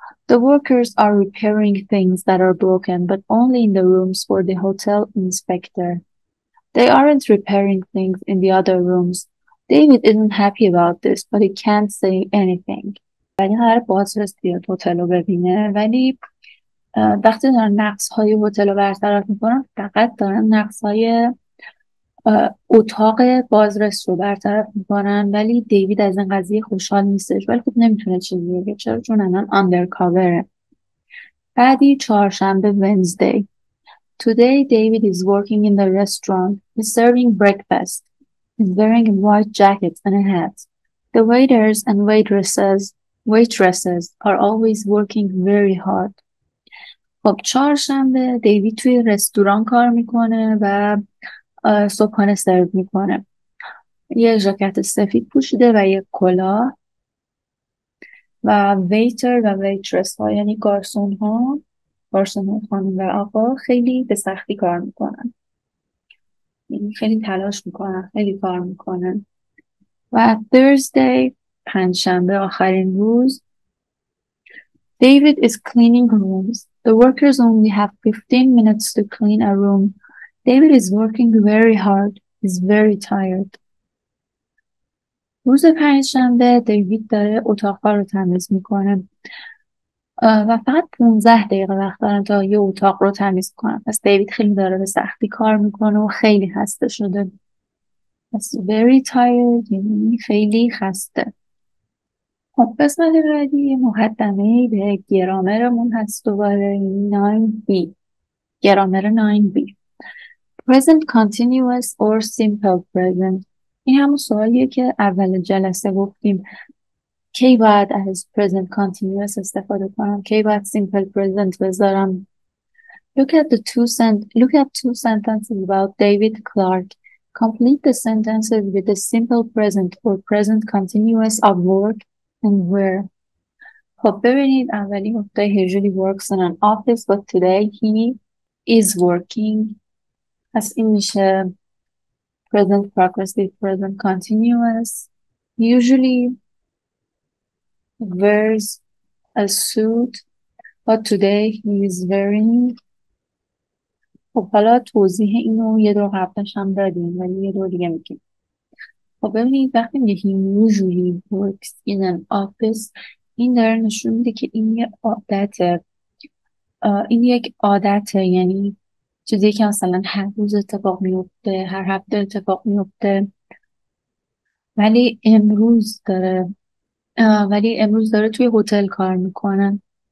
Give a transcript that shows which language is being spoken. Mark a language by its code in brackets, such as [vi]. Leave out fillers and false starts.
[en] The workers are repairing things that are broken, but only in the rooms for the hotel inspector. They aren't repairing things in the other rooms. David isn't happy about this, but he can't say anything. [fa] ولی هر بازرس بیاد هتل رو ببینه، ولی وقتی دارن نقص‌های هتل رو برطرف می‌کنن، فقط دارن نقص‌های اتاق بازرس رو برطرف میکنن ولی دیوید از این قضیه خوشحال نیستش ولی خب نمیتونه چیزی بگه. چرا؟ چون الان اندرکاوره. بعدی چهارشنبه Wednesday. [en] Today David is working in the restaurant. He's serving breakfast. is wearing a white jacket and a hat. The waiters and waitresses are always working very hard. [fa] خب چهارشنبه دیوی توی رستوران کار میکنه و صبحانه سرو میکنه. یه ژاکت سفید پوشیده و یه کلاه و ویتر و ویترس ها یعنی گارسون ها گارسون ها خانم و آقا خیلی به سختی کار میکنن. یعنی خیلی تلاش میکنن، خیلی کار میکنن. [en] و Thursday [fa] پنجشنبه آخرین روز [en] David is cleaning rooms. The workers only have 15 minutes to clean a room. David is working very hard. He's very tired. [fa] روز پنجشنبه دیوید داره اتاق‌ها رو تمیز می‌کنه و فقط 15 دقیقه وقت داره تا یه اتاق رو تمیز کنه. پس دیوید خیلی داره به سختی کار می‌کنه و خیلی خسته شده. پس very tired یعنی خیلی خسته. خب قسمت بعدی مقدمه به گرامرمون هست دوباره 9B. [en] Grammar 9B. Present continuous or simple present. [fa] این همون سوالیه که اول جلسه گفتیم کی باید از present continuous استفاده کنم، کی باید simple present بذارم. [en] Look at two sentences about David Clark. Complete the sentences with the simple present or present continuous of work and where. [fa] خب ببینید اولی گفته [en] he usually works in an office but today he is working. [fa] پس این میشه present progressive, present continuous. [en] Usually wears a suit, but today he is wearing. [fa] خب حالا توضیح اینو یه دور قبلش هم دادیم ولی یه دور دیگه میگیم. خب ببینید وقتی میگه [en] he usually works in an office، [fa] این داره نشون میده که این یه عادته، این یک عادته، یعنی چیزی که مثلا هر روز اتفاق میفته، هر هفته اتفاق میفته، ولی امروز داره توی هتل کار میکنن.